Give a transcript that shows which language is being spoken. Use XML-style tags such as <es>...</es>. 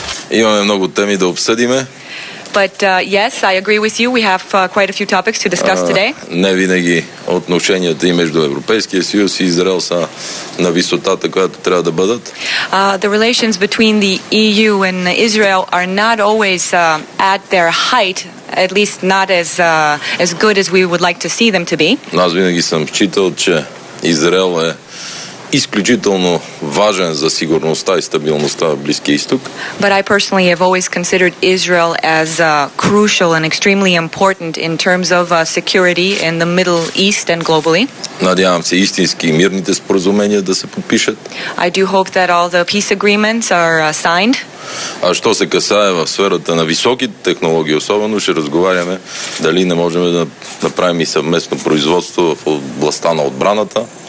<bg>Имаме много теми да обсъдиме.</bg> <en>But yes, I agree with you. We have quite a few topics to discuss today.</en> <bg>Не винаги отношенията и между Европейския съюз и Израел са на висотата, която трябва да бъдат.</bg> <en>The relations between the EU and Israel are not always at their height, at least not as good as we would like to see them to be.</en> <bg>Но аз винаги съм считал, че Израел е изключително важен за сигурността и стабилността в Близкия изток.</bg> <en>But I personally have always considered Israel as crucial and extremely important in terms of security in the Middle East and globally.</en> <bg>Надявам се истински мирните споразумения да се подпишат.</bg> <en>I do hope that all the peace agreements are signed.</en> <bg>А що се касае в сферата на високи технологии, особено ще разговаряме дали не можем да направим и съвместно производство в областта на отбраната.</bg>